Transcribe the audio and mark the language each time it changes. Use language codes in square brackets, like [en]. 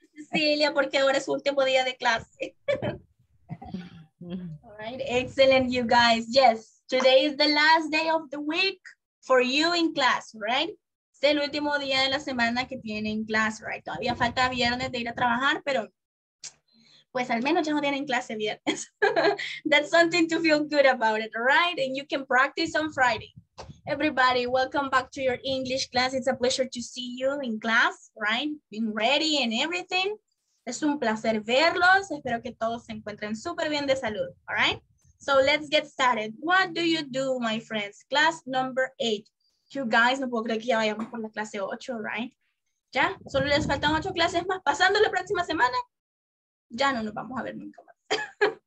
[es] Cecilia, porque ahora es su último día de clase. [en] All right, excellent, you guys. Yes, today is the last day of the week for you in class, right? [es] Es el último día de la semana que tienen en clase, [en] right? [es] Todavía falta viernes de ir a trabajar, pero... pues al menos ya no tienen clase viernes. [en] That's something to feel good about it, right? And you can practice on Friday. Everybody, welcome back to your English class. It's a pleasure to see you in class, right? Being ready and everything. [es] Es un placer verlos. Espero que todos se encuentren súper bien de salud, [en] all right? So let's get started. What do you do, my friends? Class number 8. You guys, [es] no puedo creer que ya vayamos por la clase 8, [en] right? [es] ¿Ya? Solo les faltan 8 clases más. Pasando la próxima semana, ya no nos vamos a ver nunca más.